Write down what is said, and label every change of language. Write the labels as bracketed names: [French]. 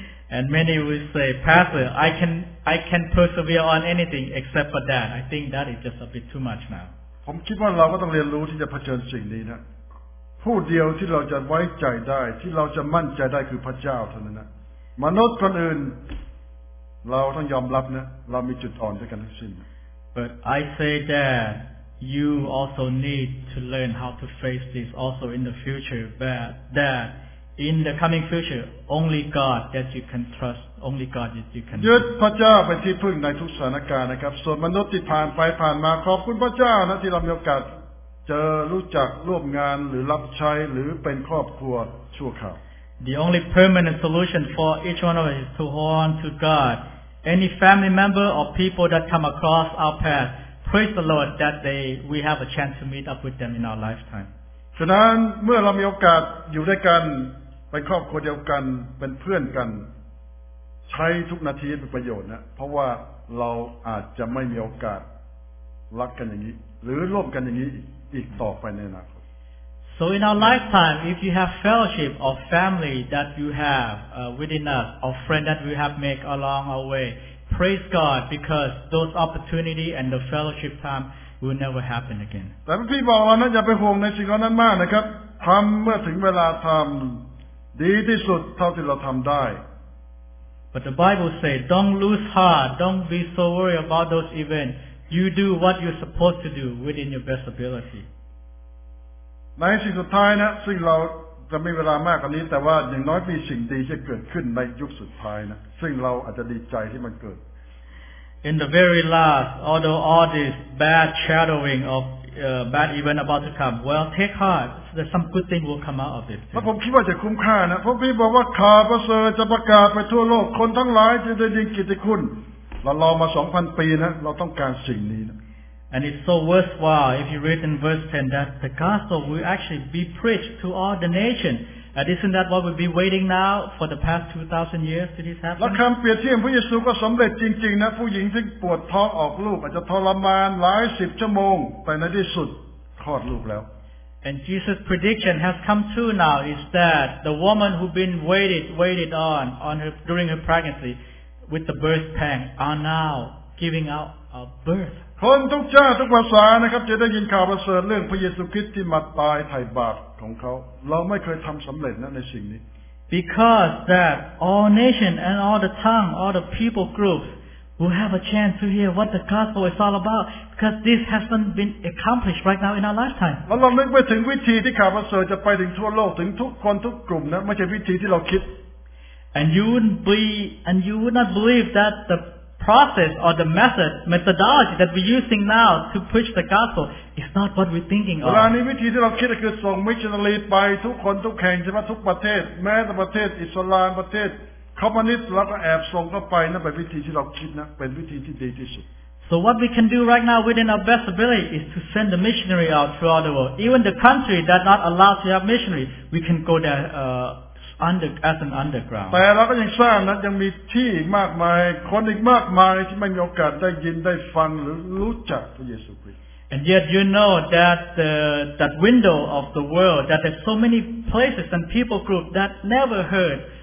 [English] And many will say, Pastor, I can persevere on anything except for that. I think that is just a bit too much now. [Thai] ผมคิดว่าเราก็ต้องเรียนรู้ที่จะเผชิญสิ่งนี้นะผู้เดียวที่เราจะไว้ใจได้ที่เราจะมั่นใจได้คือพระเจ้าเท่านั้นนะมนุษย์คนอื่นเราต้องยอมรับนะเรามีจุดอ่อนด้วยกันทั้งสิ้น [English] But I say that you also need to learn how to face this also in the future. But that in the coming future, only God that you can trust, only God that you can. [Thai] ยึดพระเจ้าเป็นที่พึ่งในทุกสถานการณ์นะครับส่วนมนุษย์ที่ผ่านไปผ่านมาขอบคุณพระเจ้านะที่เรามีโอกาสเจอรู้จักร่วมงานหรือรับใช้หรือเป็นครอบครัวชั่วคราว [English] The only permanent solution for each one of us is to hold on to God. Any family member or people that come across our path, praise the Lord that we have a chance to meet up with them in our lifetime. [Thai] ฉะนั้นเมื่อเรามีโอกาสอยู่ด้วยกันเป็นครอบครัวเดียวกันเป็นเพื่อนกันใช้ทุกนาทีเป็นประโยชน์นะเพราะว่าเราอาจจะไม่มีโอกาสรักกันอย่างนี้หรือร่วมกันอย่างนี้อีกต่อไปในอนาคต [English] So in our lifetime if you have fellowship or family that you have within us or friend that we have made along our way praise God because those opportunity and the fellowship time will never happen again [Thai] แต่พี่บอกว่านั้นอย่าไปห่วงในสิ่งนั้นมากนะครับทำเมื่อถึงเวลาทำดีที่สุดเท่าที่เราทำได้ [English] But the Bible says, don't lose heart, don't be so worried about those events. You do what you're supposed to do within your best ability. [Thai] ในสิ่งสุดท้ายนะซึ่งเราจะมีเวลามากกว่านี้แต่ว่าอย่างน้อยมีสิ่งดีจะเกิดขึ้นในยุคสุดท้ายนะซึ่งเราอาจจะดีใจที่มันเกิด [English] In the very last, although all this bad shadowing of bad event about to come, well, take heart. There's some good thing will come out of it. [Thai] ผมคิดว่าจะคุ้มค่านะเพราะพี่บอกว่าข่าวประเสริฐจะประกาศไปทั่วโลกคนทั้งหลายจะได้ยินกิตติคุณเรารอมา 2,000 ปีนะเราต้องการสิ่งนี้นะ [English] And it's so worthwhile if you read in verse 10 that the gospel will actually be preached to all the nation. And isn't that what we've been waiting now for the past 2,000 years to this happen? [Thai] และคำเปรียบเทียบพระเยซูก็สำเร็จจริงๆนะผู้หญิงที่ปวดท้องออกลูกอาจจะทรมานหลายสิบชั่วโมงแต่ในที่สุดคลอดลูกแล้ว [English] And Jesus' prediction has come true now is that the woman who been waited on her, during her pregnancy with the birth pang are now giving out a birth. [Thai] คนทุกชาติทุกภาษานะครับจะได้ยินข่าวประเสริฐเรื่องพระเยซูคริสต์ที่มาตายไถ่บาปของเขาเราไม่เคยทำสำเร็จนะในสิ่งนี้ [English] Because that all nation and all the tongue, all the people groups will have a chance to hear what the gospel is all about because this hasn't been accomplished right now in our lifetime. [Thai] เราลองนึกถึงวิธีที่ข่าวประเสริฐจะไปถึงทั่วโลกถึงทุกคนทุกกลุ่มนะไม่ใช่วิธีที่เราคิด [English] And you would not believe that the process or the methodology that we're using now to preach the gospel is not what we're thinking of. [Thai] เวลานี้วิธีที่เราคิดคือส่งมิชชันนารีไปทุกคนทุกแห่งใช่ไหมทุกประเทศแม้แต่ประเทศอิสลามประเทศคอมมิวนิสต์เราก็แอบส่งเข้าไปนั่นเป็นวิธีที่เราคิดนะเป็นวิธีที่ดีที่สุด [English] So what we can do right now within our best ability is to send the missionary out throughout the world. Even the country that not allowed to have missionary, we can go there as an underground. [Thai] แต่เราก็ยังทราบนะยังมีที่มากมายคนอีกมากมายที่ไม่มีโอกาสได้ยินได้ฟังหรือรู้จักพระเยซูคริสต์ [English] And yet you know that that window of the world that there's so many places and people group that never heard.